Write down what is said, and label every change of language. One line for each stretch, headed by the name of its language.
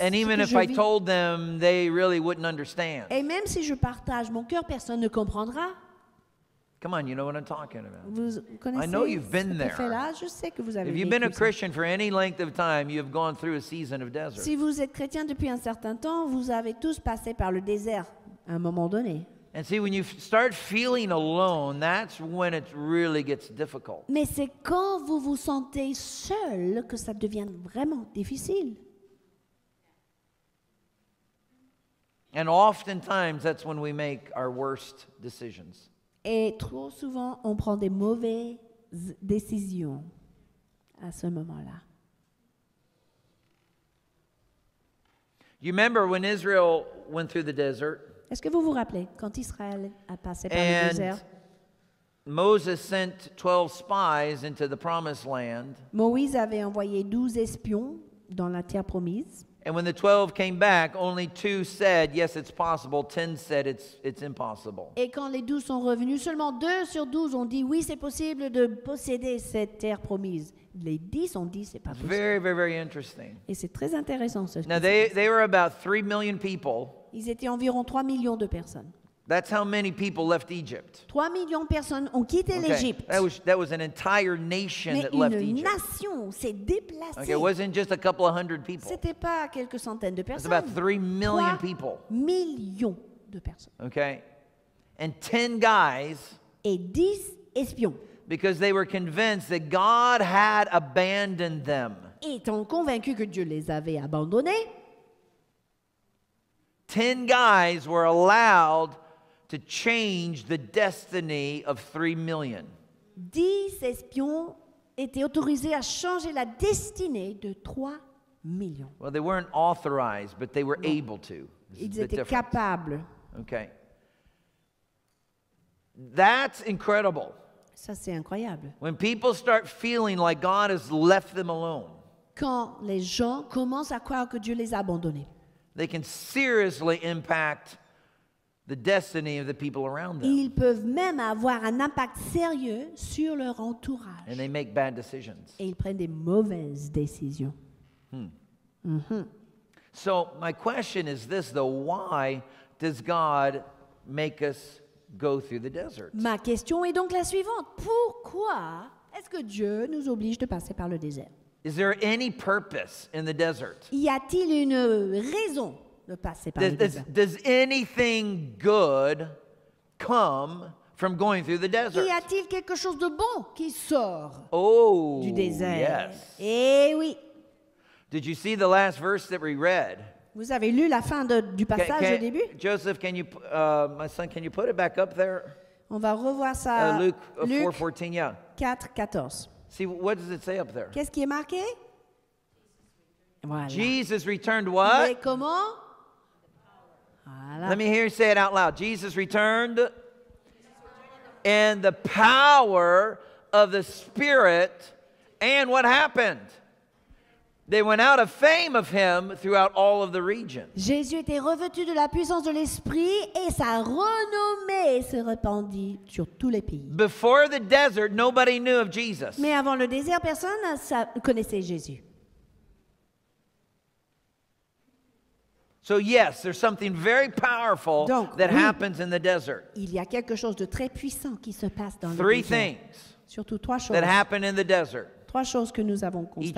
English: And even if I told them, they really wouldn't understand.
French: Et même si je partage mon cœur, personne ne comprendra.
English: Come on, you know what I'm talking about.
French: Vous connaissez,
English: I know you've been there.
French: Je sais que vous avez
English: if you've been a
French: ça.
English: Christian for any length of time, you've gone through a season of desert.
French: Si vous êtes chrétien depuis un certain temps, vous avez tous passé par le désert à un moment donné.
English: And see, when you start feeling alone, that's when it really gets difficult.
French: Mais c'est quand vous vous sentez seul que ça devient vraiment difficile.
English: And oftentimes, that's when we make our worst decisions.
French: Et trop souvent, on prend des mauvaises décisions à ce moment-là.
English: You remember when Israel went through the desert?
French: Est-ce que vous vous rappelez quand Israël a passé par le désert?
English: Moses sent 12 spies into the promised land.
French: Moïse avait envoyé 12 espions dans la terre promise.
English: And when the 12 came back, only 2 said, yes, it's possible. 10 said, it's impossible.
French: Et quand les 12 sont revenus, seulement 2 sur 12 ont dit, oui, c'est possible de posséder cette terre promise. Les 10 ont dit, c'est pas possible.
English: Very, very, very interesting.
French: Et c'est très intéressant ce
English: Now, they were about 3 million people.
French: Ils étaient environ 3 millions de personnes.
English: That's how many people left Egypt.
French: 3 millions de personnes ont quitté
English: okay.
French: l'Égypte.
English: That was an entire nation
French: Mais
English: that left
French: nation
English: Egypt.
French: Une nation s'est déplacée.
English: Okay, it wasn't just a couple of hundred people.
French: C'était pas quelques centaines de personnes.
English: It's about 3 million people.
French: Millions de personnes.
English: Okay. And 10 guys.
French: Et 10 espions.
English: Because they were convinced that God had abandoned them.
French: Étant convaincus que Dieu les avait abandonnés.
English: 10 guys were allowed to change the destiny of 3 million.
French: 10 espions étaient autorisés à changer la destinée de 3 millions.
English: Well, they weren't authorized, but they were non. able to.
French: Ils étaient capables.
English: Okay. That's incredible.
French: Ça, c'est incroyable.
English: When people start feeling like God has left them alone.
French: Quand les gens commencent à croire que Dieu les a abandonnés.
English: They can seriously impact the destiny of the people around them.
French: Ils peuvent même avoir un impact sérieux sur leur entourage.
English: And they make bad decisions.
French: Et ils prennent des mauvaises décisions.
English: So my question is this though, why does God make us go through the desert?
French: Ma question est donc la suivante. Pourquoi est-ce que Dieu nous oblige de passer par le désert?
English: Is there any purpose in the desert?
French: Y a-t-il une raison de passer par le désert?
English: Does anything good come from going through the desert?
French: Y a-t-il quelque chose de bon qui sort du désert?
English: Yes.
French: Eh oui.
English: Did you see the last verse that we read?
French: Vous avez lu la fin du passage au début?
English: Joseph, can you, my son, can you put it back up there?
French: On va revoir ça.
English: Luke 4:14, yeah. 4:14. See, what does it say up there?
French: Qu'est-ce qui est marqué? Voilà.
English: Jesus returned what?
French: Mais comment? Voilà.
English: Let me hear you say it out loud. Jesus returned and the power of the Spirit, and what happened? They went out of fame of him throughout all of the region.
French: Jésus était revêtu de la puissance de l'esprit et sa renommée se répandit sur tous les pays.
English: Before the desert, nobody knew of Jesus.
French: Mais avant le désert, personne connaissait Jésus.
English: So yes, there's something very powerful
French: donc,
English: that
French: oui,
English: happens in the desert.
French: Il y a quelque chose de très puissant qui se passe dans
English: three
French: le désert.
English: Three things.
French: Surtout trois choses.
English: That happen in the desert.
French: Trois choses que nous avons constatées.